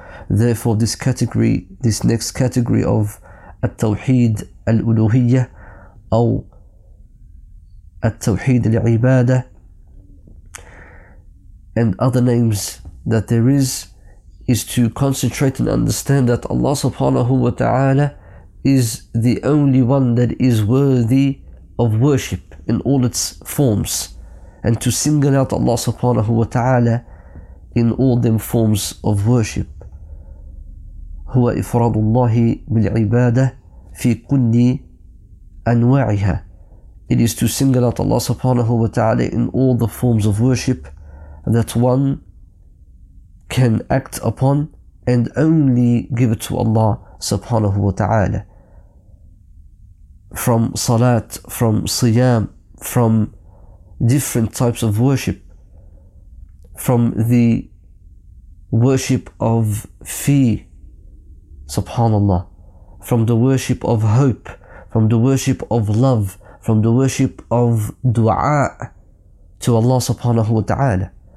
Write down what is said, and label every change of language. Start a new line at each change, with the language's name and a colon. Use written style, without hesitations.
English: Therefore, this category, this next category of At-Tawheed Al-Uluhiyyah or At-Tawheed Al-Ibadah and other names that there is to concentrate and understand that Allah subhanahu wa ta'ala is the only one that is worthy of worship in all its forms, and to single out Allah subhanahu wa ta'ala in all them forms of worship.
Arabic: هو إفراد الله بالعبادة في كل أنواعها.
English: It is to single out Allah subhanahu wa ta'ala in all the forms of worship that one can act upon and only give it to Allah subhanahu wa ta'ala. From salat, from siyam, from different types of worship, from the worship of fi, subhanallah, from the worship of hope, from the worship of love, from the worship of dua to Allah subhanahu wa ta'ala.